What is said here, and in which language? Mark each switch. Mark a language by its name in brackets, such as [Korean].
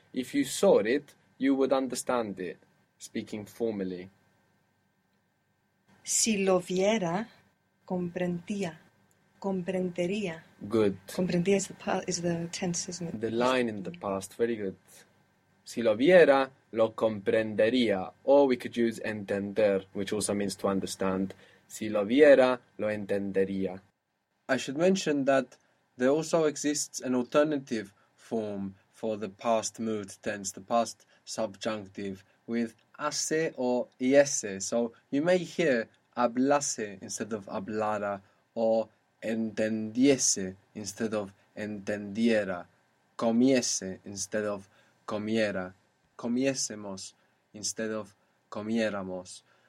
[English] If you saw it, you would understand it. Speaking formally. [Spanish] Si lo viera, comprendía. Comprendería. [English] Good. Comprendía is the tense, isn't it? The line in the past, very good. [Spanish] Si lo viera, lo comprendería. [English] Or we could use entender, which also means to understand. [Spanish] Si lo viera, lo entendería. [English] I should mention that there also exists an alternative form for the past moved tense, the past subjunctive, with hace or hiese. So you may hear hablase instead of hablara, or entendiese instead of entendiera, comiese instead of comiera, comiésemos instead of comiéramos.